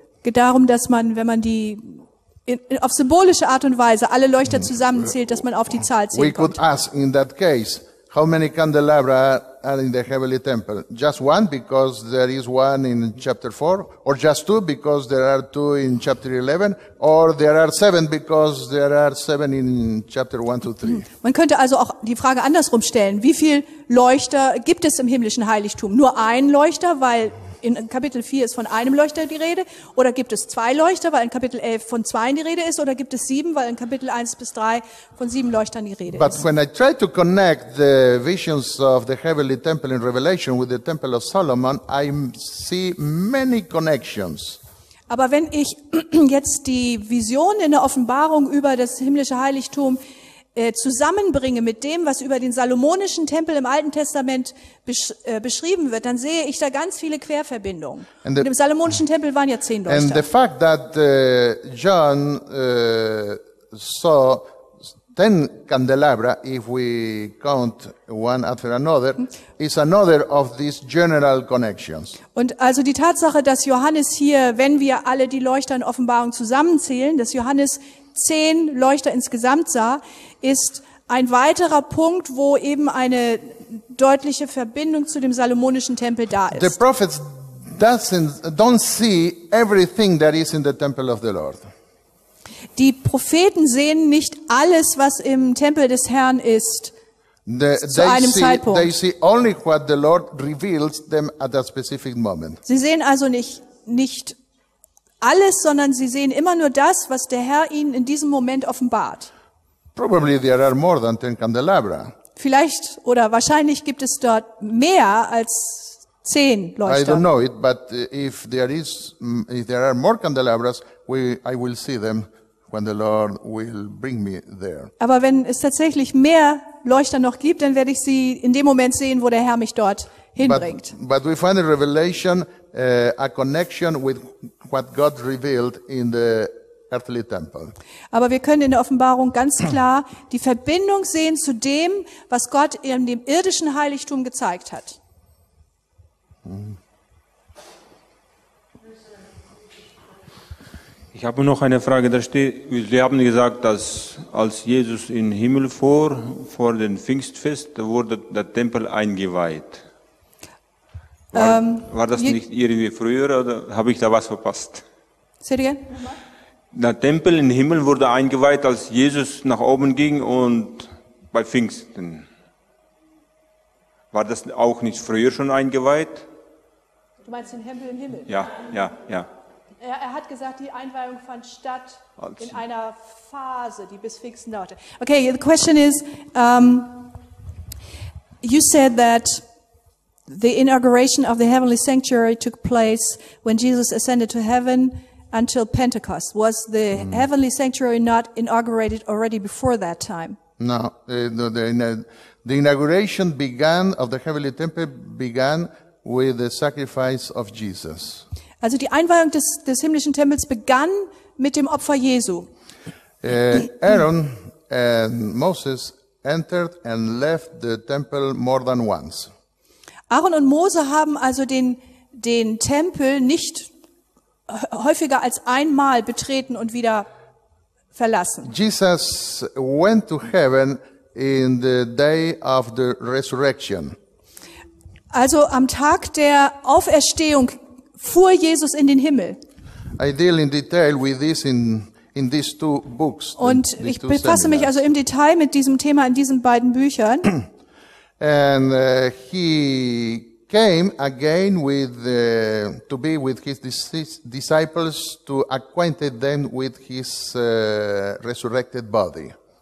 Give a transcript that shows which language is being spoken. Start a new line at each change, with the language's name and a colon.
German: Geht darum, dass man, wenn man die auf symbolische Art und Weise alle Leuchter zusammenzählt, dass man auf die Zahl zählt.
English: We could ask in that case, how many candelabra are in the heavenly temple? Just 1, because there is 1 in chapter 4, or just 2, because there are 2 in chapter 11, or there are 7, because there are 7 in chapter 1-3.
German: Man könnte also auch die Frage andersrum stellen: Wie viel Leuchter gibt es im himmlischen Heiligtum? Nur ein Leuchter, weil in Kapitel 4 ist von einem Leuchter die Rede, oder gibt es zwei Leuchter, weil in Kapitel 11 von zwei die Rede ist, oder gibt es sieben, weil in Kapitel 1 bis 3 von sieben Leuchtern die Rede
English: but
German: ist.
English: But when I try to connect the visions of the heavenly temple in Revelation with the temple of Solomon, I see many connections.
German: Aber wenn ich jetzt die Vision in der Offenbarung über das himmlische Heiligtum zusammenbringe mit dem, was über den salomonischen Tempel im Alten Testament beschrieben wird, dann sehe ich da ganz viele Querverbindungen.
English: And the,
German: und im salomonischen Tempel waren ja 10 Leuchter.
English: And the fact that John saw 10 candelabra, if we count one after another, is another of these general connections.
German: Und also die Tatsache, dass Johannes hier, wenn wir alle die Leuchter in Offenbarung zusammenzählen, dass Johannes 10 Leuchter insgesamt sah, ist ein weiterer Punkt, wo eben eine deutliche Verbindung zu dem salomonischen Tempel da ist.
English: The prophets don't see everything that is in the temple of the Lord.
German: Die Propheten sehen nicht alles, was im Tempel des Herrn ist, zu einem Zeitpunkt.
English: They see only what the Lord reveals them at a specific moment.
German: Sie sehen also nicht alles, sondern sie sehen immer nur das, was der Herr ihnen in diesem Moment offenbart.
English: Probably there are more than 10 candelabra.
German: Vielleicht oder wahrscheinlich gibt es dort mehr als 10 Leuchter.
English: I don't know it, but if there are more candelabras, I will see them when the Lord will bring me there.
German: Aber wenn es tatsächlich mehr Leuchter noch gibt, dann werde ich sie in dem Moment sehen, wo der Herr mich dort hinbringt.
English: But we find a revelation, a connection with what God revealed in the earthly temple.
German: Aber wir können in der Offenbarung ganz klar die Verbindung sehen zu dem, was Gott in dem irdischen Heiligtum gezeigt hat. Ich habe noch eine Frage. Da steht, Sie haben gesagt, dass als Jesus in den Himmel fuhr, vor dem Pfingstfest, da wurde der Tempel eingeweiht. War das nicht irgendwie früher oder habe ich da was verpasst? Sehr gerne. Der Tempel im Himmel wurde eingeweiht, als Jesus nach oben ging und bei Pfingsten. War das auch nicht früher schon eingeweiht? Du meinst den Tempel im Himmel? Ja. Er hat gesagt, die Einweihung fand statt in einer Phase, die bis Pfingsten dauerte.
English: Okay, the question is, you said that the inauguration of the heavenly sanctuary took place when Jesus ascended to heaven until Pentecost. Was the heavenly sanctuary not inaugurated already before that time? No, the inauguration began of the heavenly temple began with the sacrifice of Jesus.
German: Also die Einweihung des himmlischen Tempels begann mit dem Opfer Jesu.
English: Aaron and Moses entered and left the temple more than once.
German: Aaron und Mose haben also den Tempel nicht häufiger als einmal betreten und wieder verlassen.
English: Jesus went to heaven in the day of the resurrection.
German: Also am Tag der Auferstehung fuhr Jesus in den Himmel.
English: I deal in detail with this in these two books.
German: Und ich befasse mich also im Detail mit diesem Thema in diesen beiden Büchern.
English: And he came again to be with his disciples to acquaint them with his resurrected body.